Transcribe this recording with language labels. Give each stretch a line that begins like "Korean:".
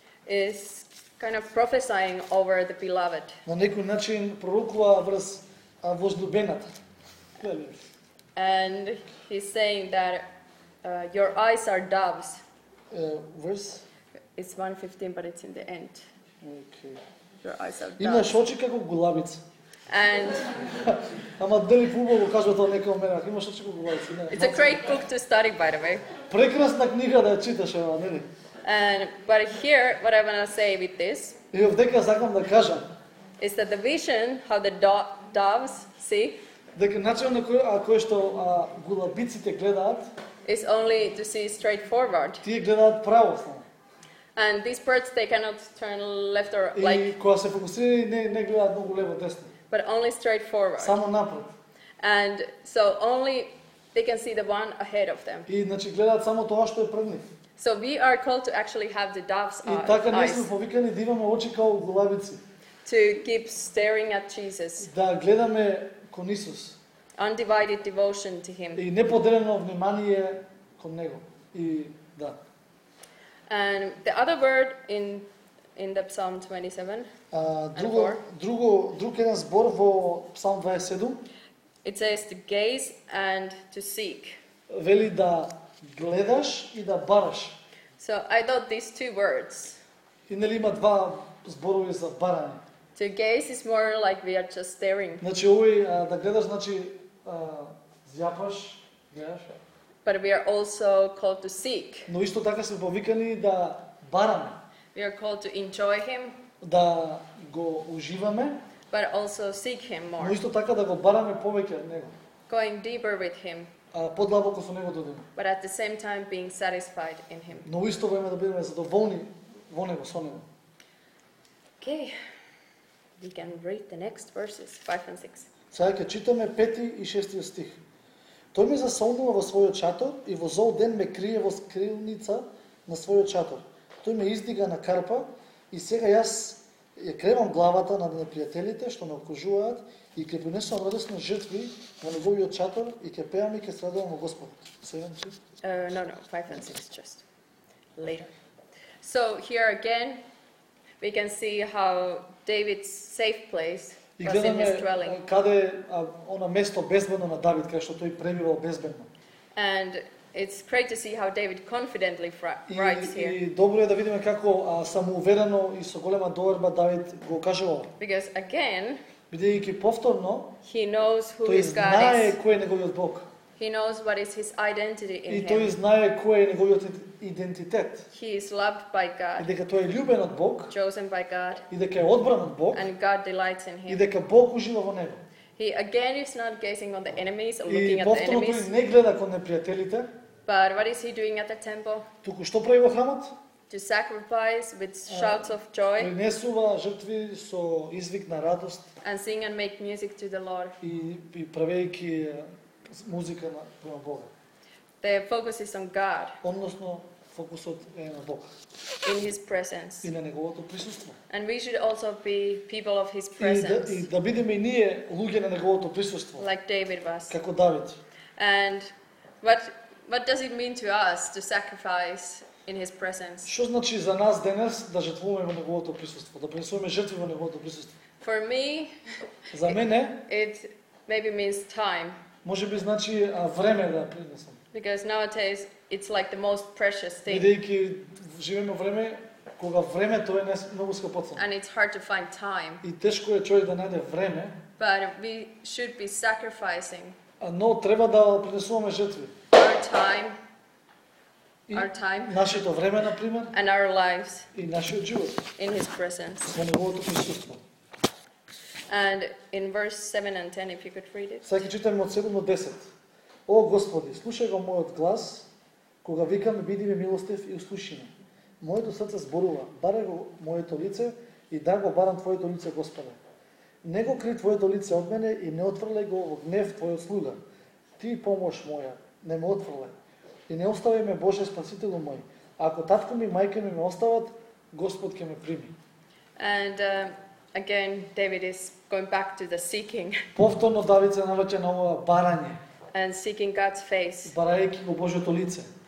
English: is kind of prophesying over the beloved.
Macedonian: На некој начин пророкува врз возлюбената.
English: And he's saying that your eyes are doves. Verse. It's 1:15, but it's in the end. Okay. Your eyes are.
Macedonian: Имаш очи како гулавица.
English: And.
Macedonian: Ама дали фудбал го кажува тоа некој момент? Имаш очи како гулавица.
English: It's a great book to study, by the way.
Macedonian: Прекрасна книга да читаш, ова, нели?
English: And but here, what I want to say with this.
Macedonian: И овдека сакам да кажам.
English: Is that the vision how the doves see?
Macedonian: Дека начинот на кој што гулавиците гледаат.
English: Is only to see straight forward.
Macedonian: Тие гледаат право.
English: And these birds, they cannot turn left or like.
Macedonian: И кога се фокусирани, не гледаат многу лево десно.
English: But only straight forward.
Macedonian: Само напред.
English: And so only they can see the one ahead of them.
Macedonian: И значи гледаат само тоа што е пред нив.
English: So we are called to actually have the dove's eyes.
Macedonian: И така ние сме повикани да имаме очи како голубици.
English: To keep staring at Jesus.
Macedonian: Да гледаме кон Исус.
English: Undivided devotion to him.
Macedonian: И неподелено внимание кон него. И да.
English: And the other word in the Psalm 27.
Macedonian: Друг еден збор во Псалм 27.
English: It says to gaze and to seek.
Macedonian: Вели да гледаш и да бараш.
English: So I thought these two words.
Macedonian: И нели има два зборови за барање.
English: To gaze is more like we are just staring.
Macedonian: Значи овој да гледаш значи зјапаш, гледаш.
English: But we are also called to seek.
Macedonian: Но исто така сме повикани да бараме.
English: We are called to enjoy him.
Macedonian: Да го уживаме.
English: But also seek him more.
Macedonian: Но исто така да го бараме повеќе од него.
English: Going deeper with him.
Macedonian: Подлабоко со него додека.
English: But at the same time being satisfied in him.
Macedonian: Но исто време да бидеме задоволни во него, со него.
English: Okay. We can read the next verses, 5 and 6.
Macedonian: Сега ќе читаме 5 и 6 стих. Тој ме засолнува во својот чатор и во зол ден ме крие во скрилница на својот чатор. Тој ме издига на карпа и сега јас ја кревам главата на непријателите што ме окружуваат и ќе принесам радосни жртви на неговиот чатор и ќе пеам и ќе страдувам во Господ. 7
English: and 6? No, 5 and 6, just later. So here again, we can see how David's safe place
Macedonian: и гледаме
English: in his dwelling.
Macedonian: Каде е оно место безбедно на Давид, каде што тој пребивал безбедно.
English: And it's great to see how David confidently writes here.
Macedonian: И добро е да видиме како самоуверено и со голема доверба Давид го кажува.
English: Because again,
Macedonian: бидејќи повторно,
English: he knows who
Macedonian: тој
English: his God
Macedonian: знае
English: is.
Macedonian: Кој е неговиот Бог.
English: He knows what is his identity in
Macedonian: и
English: him.
Macedonian: И тој знае кој е неговиот идентитет.
English: He is loved by God.
Macedonian: И дека тој е љубен од Бог.
English: Chosen by God.
Macedonian: И дека е одбран од Бог.
English: And God delights in him.
Macedonian: И дека Бог ужива во него.
English: He again is not gazing on the enemies or
Macedonian: и
English: looking at the enemies.
Macedonian: И не гледа кон непријателите.
English: But what is he doing at the temple?
Macedonian: Туку што прави во храмот?
English: To sacrifice with shouts of joy.
Macedonian: Принесува жртви со извик на радост.
English: And sing and make music to the Lord.
Macedonian: И правејќи музика на према Бога.
English: The focus is on God.
Macedonian: Односно, фокусот е на Бог.
English: In his presence.
Macedonian: И на неговото присуство.
English: And we should also be people of his presence.
Macedonian: И да бидеме ние луѓе на неговото присуство.
English: Like David was.
Macedonian: Како Давид.
English: And what does it mean to us to sacrifice in his presence?
Macedonian: Што значи за нас денес да жртвуваме во неговото присуство, да принесуваме жртви во неговото присуство?
English: For me,
Macedonian: за мене,
English: it maybe means time.
Macedonian: Може би значи време да принесам.
English: Because nowadays it's like the most precious thing.
Macedonian: Бидејќи живееме време кога времето е многу скапоцено.
English: And it's hard to find time.
Macedonian: И тешко е човек да најде време.
English: But we should be sacrificing.
Macedonian: Но треба да принесуваме жртви.
English: Our time. Our time.
Macedonian: Нашето време на пример.
English: And our lives.
Macedonian: И нашиот живот.
English: In his presence.
Macedonian: Во неговото присуство.
English: And in verse 7 and 10 if you could read it.
Macedonian: Сега ќе читаме од 7 до 10. О Господи, слушај го мојот глас, кога викам, биди ми милостив и услуши ме. Моето срце зборува, барај го моето лице и да го барам твоето лице, Господе. Не го кри твоето лице од мене и не отфрлај го во гнев твојот слуга. Ти помош моја, не ме отфрлај. И не оставај ме, Боже, спасителу мој. Ако татко ми и мајка ми ме остават, Господ ќе ме прими.
English: And again, David is going back to the seeking.
Macedonian: Повторно Давид се навраќа на ова барање.
English: And seeking God's face.
Macedonian: Барајќи го Божјото лице.